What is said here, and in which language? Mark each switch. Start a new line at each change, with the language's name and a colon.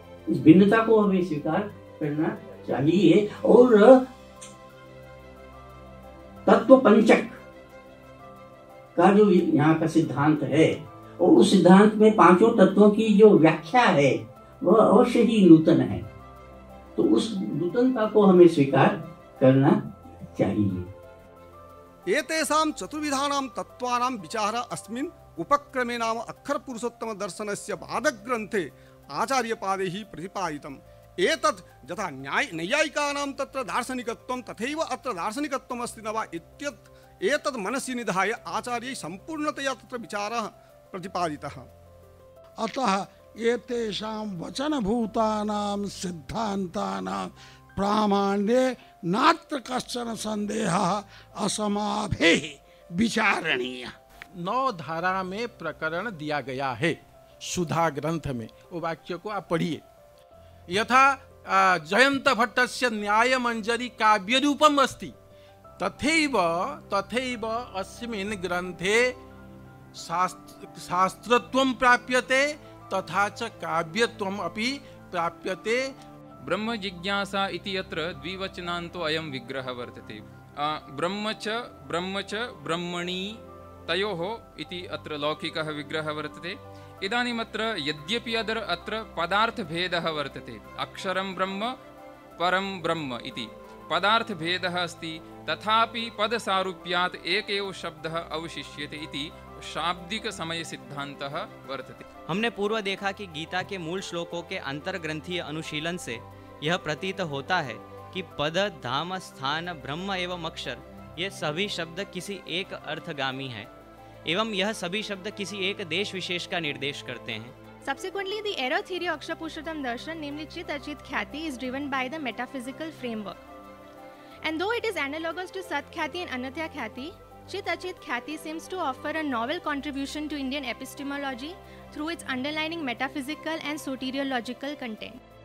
Hindi: इस भिन्नता को हमें स्वीकार करना चाहिए। और तत्व पंचक का जो यहाँ का सिद्धांत है, और उस सिद्धांत में पांचों तत्वों की जो व्याख्या है वह अवश्य ही नूतन है, तो उस नूतनता को हमें स्वीकार करना चाहिए।
Sanskrit: एतेषां चतुर्विधानां तत्त्वानां विचार अस्मिन् उपक्रमे नाम अक्षर पुरुषोत्तम दर्शनस्य भागग्रन्थे आचार्यपादैः प्रतिपादितम्। एतत् यथा नैयायिकानां तत्र दार्शनिकत्वं तथैव अत्र दार्शनिकत्वम् अस्ति न वा इत्यत् एतत् मनसि निधाय आचार्यैः सम्पूर्णतया तत्र विचारः प्रतिपादितः। अतः एतेषां वचनभूतानां सिद्धान्तानां प्रामाण्ये नात्र कश्चन संदेहः असमाभिः विचारणीयः।
Hindi: नौ धारा में प्रकरण दिया गया है सुधा ग्रंथ में, वो वाक्य को आप पढ़िए।
Sanskrit: यथा जयंत भट्टस्य न्यायमंजरी काव्य रूपम अस्ति तथैव तथैव अस्मिन् ग्रंथे शास्त्रत्वं प्राप्यते तथा च काव्यत्वं अपि प्राप्यते। ब्रह्म जिज्ञासा इति यत्र द्विवचनान्तो अयं विग्रह वर्तते, ब्रह्म च ब्रह्मणि तयोः इति अत्र लौकिकः विग्रह वर्तते। इदानीम् अत्र यद्यपि अत्र पदार्थभेदः वर्तते, अक्षरं ब्रह्म परं ब्रह्म इति, पदार्थ भेदः अस्ति तथापि पदसारूप्यात् एकैव शब्दः अवशिष्यते इति शाब्दिक समय सिद्धान्तः वर्तते।
Hindi: हमने पूर्व देखा कि गीता के मूल श्लोकों के अंतर्ग्रंथीय अनुशीलन से यह प्रतीत होता है कि पद धाम स्थान ब्रह्म एवं अक्षर ये सभी शब्द किसी एक अर्थगामी हैं एवं यह सभी शब्द किसी एक देश विशेष का निर्देश करते हैं।
English: Subsequently, the error theory of Akṣara-Puruṣottama Darśana, namely Chit Achit Khyati, is driven by the metaphysical framework. And though it is analogous to Sat Khyati and Anatya Khyati, Chit Achit Khyati seems to offer a novel contribution to Indian epistemology through its underlining metaphysical and soteriological content.